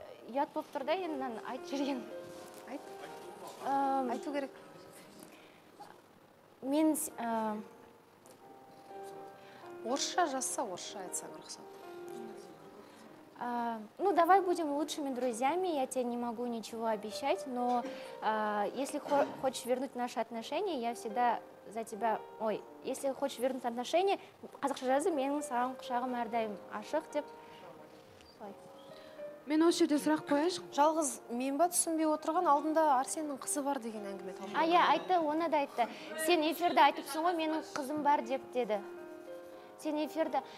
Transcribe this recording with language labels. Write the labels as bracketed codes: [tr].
[kk] Ұят болып тұр да енді айтып жүрген. Айту керек. Мен... Орысша жазса, орысша айтсаң рұқсат. [ru] Ну, давай будем лучшими друзьями. Я тебе не могу ничего обещать, но если хочешь вернуть наши отношения, я всегда за тебя... [kk] Ой, [ru] если хочешь вернуть отношения, [kk] қазақша жазы, менің саған құшағым әрдайым ашық деп. Мен осы жерде сұрақ қояйыншы. Жалғыз мен ба түсінбей отырған, алдында Арсеннің қызы бар деген әңгіме талқыланды. Ай, айтты, оны да айтты. Сен эфирде айтыпсың ғой, менің қызым бар деп деді. Сен эфирде...